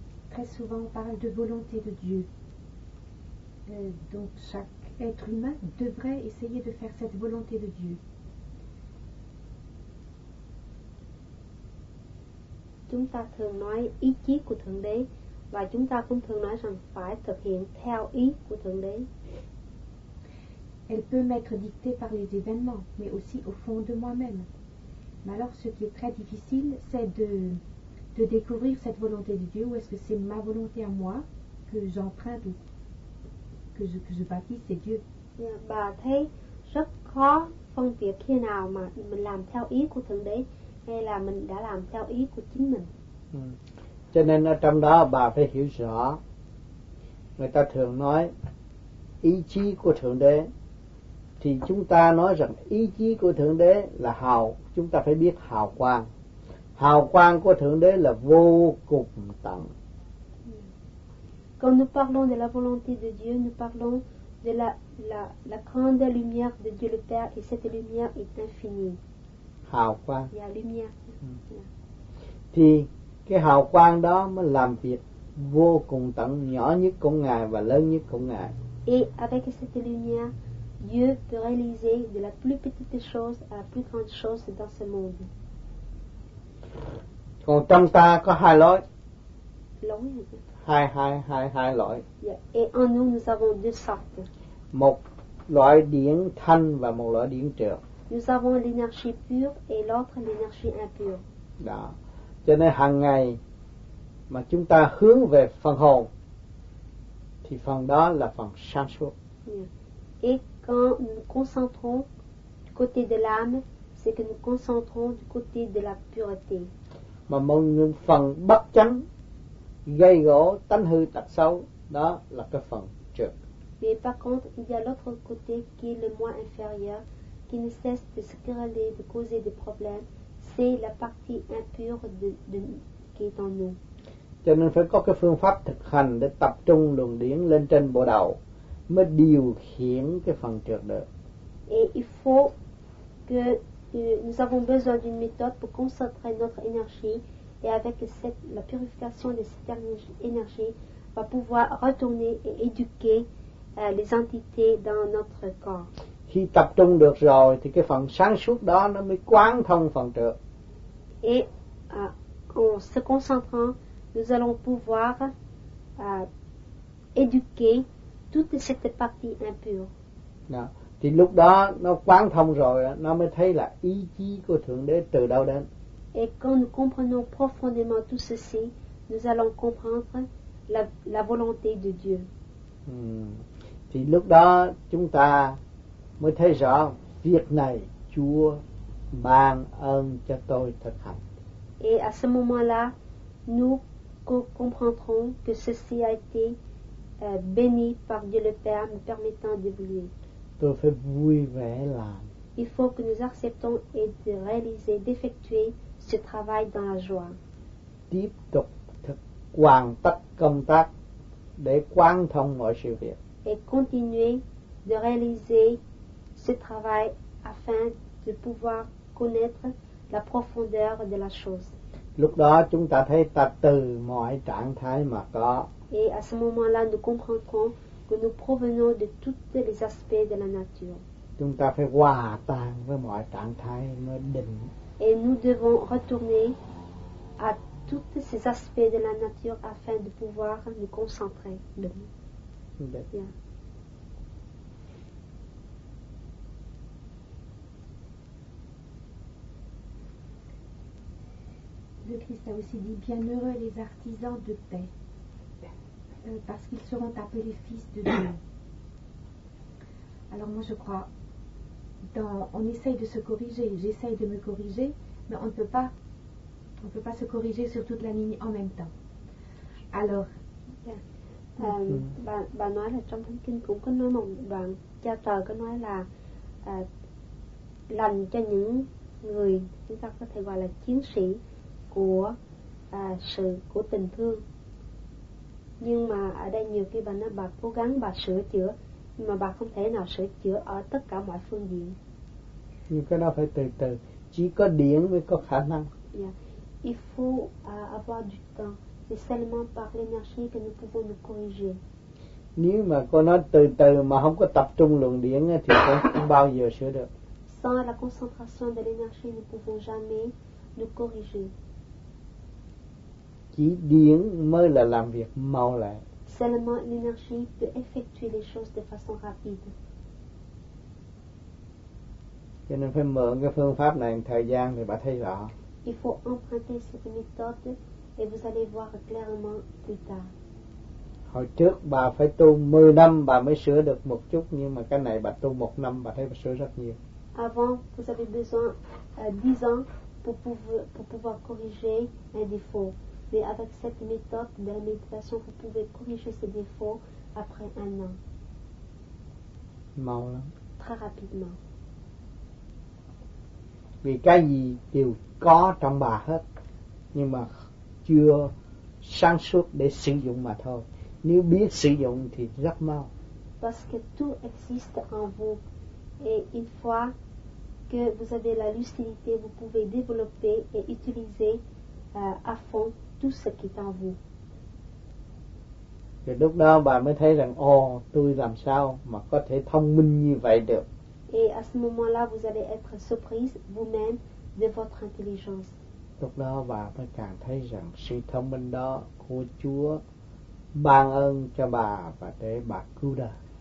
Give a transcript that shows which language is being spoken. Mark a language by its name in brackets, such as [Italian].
[French] Très souvent, on parle de volonté de Dieu. Donc, chaque être humain devrait essayer de faire cette volonté de Dieu. [Vietnamese] Chúng ta thường nói ý chí của thượng đế và chúng ta cũng thường nói rằng phải thực hiện theo ý của thượng đế. [French] Elle peut m'être dictée par les événements, mais aussi au fond de moi-même. Mais alors, ce qui est très difficile, c'est de découvrir cette volonté de Dieu, ou est-ce que c'est ma volonté à moi que j'emprunte ou que je bâtis, c'est Dieu. [Vietnamese] Bà thấy rất khó phân biệt khi nào mà mình làm theo ý của Thượng Đế hay là mình đã làm theo ý của chính mình. Cho nên ở trong đó bà phải hiểu rõ, người ta thường nói ý chí của Thượng Đế, thì chúng ta nói rằng ý chí của Thượng Đế là hào, chúng ta phải biết hào quang. Hào quang của Thượng Đế là vô cùng tận. [French] Quand nous parlons de la volonté de Dieu, nous parlons de la grande lumière de Dieu le Père, et cette lumière est infinie. [Vietnamese] Hào quang. [French] Yeah, lumière. [Vietnamese] Thì cái hào quang đó mới làm việc vô cùng tận, nhỏ nhất của Ngài và lớn nhất của Ngài. [French] Et avec cette lumière, Dieu peut réaliser de la plus petite chose à la plus grande chose dans ce monde. [Vietnamese] Còn trong ta có hai lối. Lối. Hai loại. Yeah. [French] Et en nous, nous avons deux sortes. [Vietnamese] Một loại điển thanh và một loại điển trược. [French] Nous avons l'énergie pure et l'autre l'énergie impure. [Vietnamese] Đó. Cho nên hàng ngày mà chúng ta hướng về phần hồn thì phần đó là phần sáng suốt. Yeah. [French] Et quand nous concentrons du côté de l'âme, c'est que nous concentrons du côté de la pureté. [Vietnamese] Mà một phần bất chánh gây gỗ tánh hư tật xấu, đó là cái phần trược. [French] Mais par contre, il y a l'autre côté qui est le moins inférieur, qui ne cesse de se quereller, de causer des problèmes, c'est la partie impure de qui est en nous. [Vietnamese] Cho nên phải có cái phương pháp thực hành để tập trung luồng điển lên trên bộ đầu mới điều khiển cái phần trược được. [French] Et il faut que nous avons besoin d'une méthode pour concentrer notre énergie. Et avec cette, la purification de cette énergie, va pouvoir retourner et éduquer les entités dans notre corps. [Vietnamese] Khi tập trung được rồi, thì cái phần sáng suốt đó nó mới quán thông phần trược. [French] Et en se concentrant, nous allons pouvoir éduquer toute cette partie impure. [Vietnamese] Đó. Thì lúc đó nó quán thông rồi, nó mới thấy là ý chí của Thượng Đế từ đâu đến. [French] Et quand nous comprenons profondément tout ceci, nous allons comprendre la volonté de Dieu. [Vietnamese] Thì lúc đó chúng ta mới thấy rõ việc này Chúa ban ơn cho tôi thực hành. [French] Et à ce moment-là, nous comprendrons que ceci a été béni par Dieu le Père, me permettant de vivre. [Vietnamese] Tôi phải vui vẻ làm. [French] Il faut que nous acceptons et de réaliser, d'effectuer ce travail dans la joie. [Vietnamese] Tiếp tục hoàn tất công tác để quán thông mọi sự việc. [French] Et continuer de réaliser ce travail afin de pouvoir connaître la profondeur de la chose. [Vietnamese] Lúc đó chúng ta thấy ta từ mọi trạng thái mà có. [French] Et à ce moment-là, nous comprendrons que nous provenons de tous les aspects de la nature. [Vietnamese] Chúng ta phải hòa tan với mọi trạng thái mới định. [French] Et nous devons retourner à tous ces aspects de la nature afin de pouvoir nous concentrer. Bien. Le Christ a aussi dit « Bienheureux les artisans de paix, parce qu'ils seront appelés fils de Dieu. » Alors moi je crois, on essaye de se corriger, j'essaye de me corriger, mais on ne peut pas se corriger sur toute la ligne en même temps. Alors, [Vietnamese] bà nói là trong thánh kinh cũng có nói một đoạn, cha trời có nói là lành cho những người chúng ta có thể gọi là chiến sĩ của sự của tình thương. Nhưng mà ở đây nhiều khi bà nói bà cố gắng bà sửa chữa, nhưng mà bà không thể nào sửa chữa ở tất cả mọi phương diện. Nhưng cái đó phải từ từ. Chỉ có điển mới có khả năng. [French] Yeah. Il faut avoir du temps. C'est seulement par l'énergie que nous pouvons nous corriger. [Vietnamese] Nếu mà con nói từ từ mà không có tập trung luồng điển thì con không bao giờ sửa được. [French] Sans la concentration de l'énergie, nous pouvons jamais nous corriger. [Vietnamese] Chỉ điển mới là làm việc mau lẹ. [French] Seulement l'énergie peut effectuer les choses de façon rapide. [Vietnamese] Cho nên phải mượn cái phương pháp này thời gian thì bà thấy rõ. [French] Il faut emprunter cette méthode et vous allez voir clairement plus tard. [Vietnamese] Hồi trước bà phải tu 10 năm bà mới sửa được một chút, nhưng mà cái này bà tu 1 năm bà thấy bà sửa rất nhiều. [French] Avant, vous avez besoin 10 ans pour pouvoir corriger un défaut. Mais avec cette méthode de la méditation, vous pouvez corriger ce défaut après un an. [Vietnamese] Mau lắm. [French] Très rapidement. [Vietnamese] Vì cái gì đều có trong bà hết, nhưng mà chưa sáng suốt để sử dụng mà thôi. Nếu biết sử dụng thì rất mau. [French] Parce que tout existe en vous. Et une fois que vous avez la lucidité, vous pouvez développer et utiliser à fond tout ce qui est en vous. [Vietnamese] Thì lúc đó bà mới thấy rằng, ồ, tôi làm sao mà có thể thông minh như vậy được. [French] Et à ce moment-là, vous allez être surprise vous-même de votre intelligence. [Vietnamese] Lúc đó bà mới càng thấy rằng sự thông minh đó của Chúa ban ơn cho bà và để bà cứu đời.